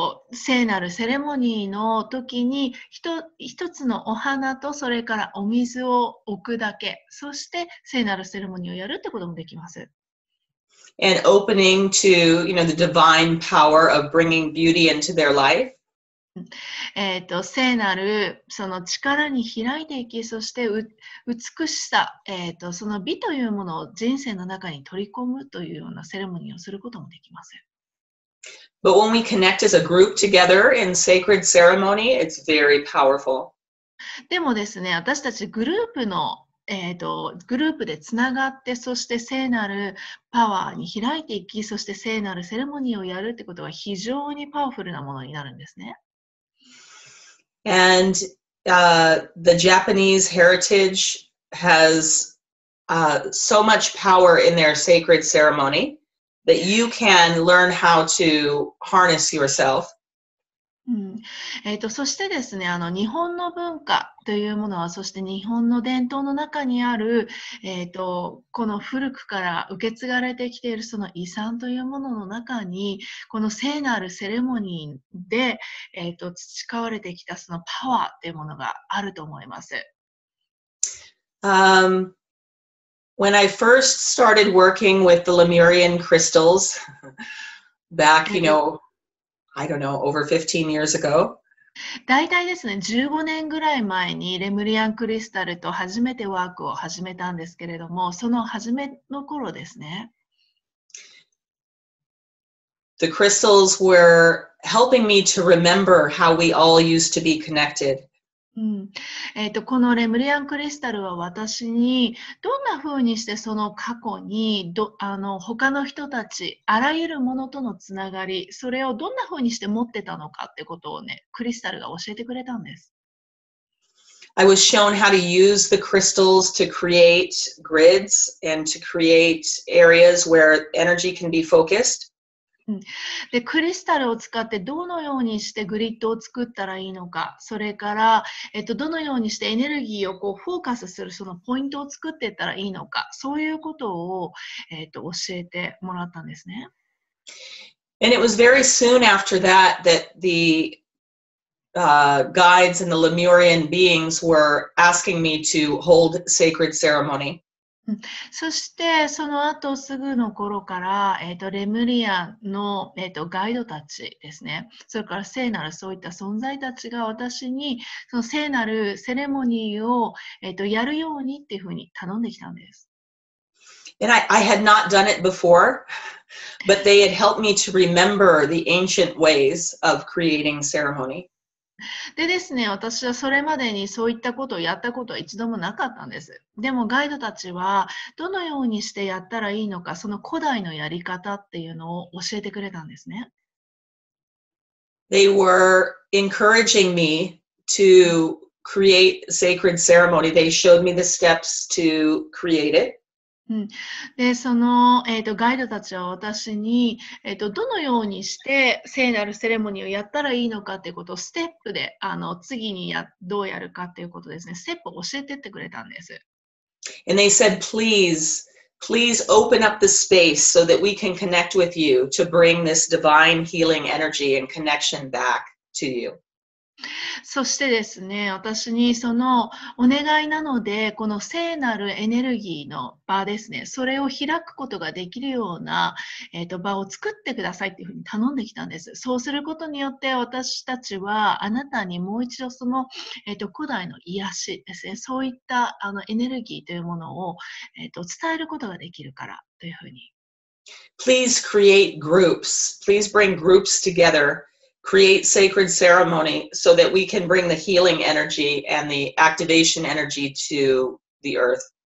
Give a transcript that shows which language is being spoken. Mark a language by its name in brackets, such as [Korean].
[Japanese] 聖なるセレモニーの時に一つのお花とそれからお水を置くだけ、そして聖なるセレモニーをやるってこともできます。 [English] And opening to, you know, the divine power of bringing beauty into their life. [Japanese] うん、聖なるその力に開いていき、そして美しさ、その美というものを人生の中に取り込むというようなセレモニーをすることもできません。 [English] But when we connect as a group together in sacred ceremony, it's very powerful. [Japanese] でもですね、私たちグループの、グループでつながって、そして聖なるパワーに開いていき、そして聖なるセレモニーをやるってことは非常にパワフルなものになるんですね。 [English] And the Japanese heritage has so much power in their sacred ceremony that you can learn how to harness yourself.、 [Japanese] そしてですね、日本の文化というものは、そして日本の伝統の中にある、この古くから受け継がれてきているその遺産というものの中に、この聖なるセレモニーで、培われてきたそのパワーというものがあると思います。 [English] When I first started working with the Lemurian crystals back, you know, I don't know, over 15 years ago. [Japanese] だいたいですね、15年ぐらい前にレムリアンクリスタルと初めてワークを始めたんですけれども、その初めの頃ですね。 [English] The crystals were helping me to remember how we all used to be connected. [Japanese] このレムリアンクリスタルは私にどんな風にしてその過去に他の人たちあらゆるものとのつながり、それをどんな風にして持ってたのかってことをね、クリスタルが教えてくれたんです。 [English] I was shown how to use the crystals to create grids and to create areas where energy can be focused. [Japanese] でクリスタルを使ってどのようにしてグリッドを作ったらいいのか、それから、どのようにしてエネルギーをこうフォーカスするそのポイントを作っていったらいいのか、そういうことを、教えてもらったんですね。 [English] And it was very soon after that that the guides and the Lemurian beings were asking me to hold sacred ceremony. [Japanese] そしてその後すぐの頃から、レムリアの、ガイドたちですね、それから聖なるそういった存在たちが私にその聖なるセレモニーを、やるようにっていうふうに頼んできたんです。 [English] And I had not done it before, but they had helped me to remember the ancient ways of creating ceremony. [Japanese] でですね、私はそれまでにそういったことをやったことは一度もなかったんです。でもガイドたちはどのようにしてやったらいいのか、その古代のやり方っていうのを教えてくれたんですね。 [English] They were encouraging me to create sacred ceremony. They showed me the steps to create it. [Japanese] でその、ガイドたちは私に、どのようにして聖なるセレモニーをやったらいいのかということをステップで次にどうやるかということですね、ステップを教えてってくれたんです。 [English] And they said, please, please open up the space so that we can connect with you to bring this divine healing energy and connection back to you. [Japanese] そしてですね、私にそのお願いなので、この聖なるエネルギーの場ですね、それを開くことができるような、場を作ってくださいというふうに頼んできたんです。そうすることによって、私たちはあなたにもう一度その、古代の癒しですね、そういったエネルギーというものを、伝えることができるからというふうに。 [English] Please create groups. Please bring groups together. Create sacred ceremony so that we can bring the healing energy and the activation energy to the earth.、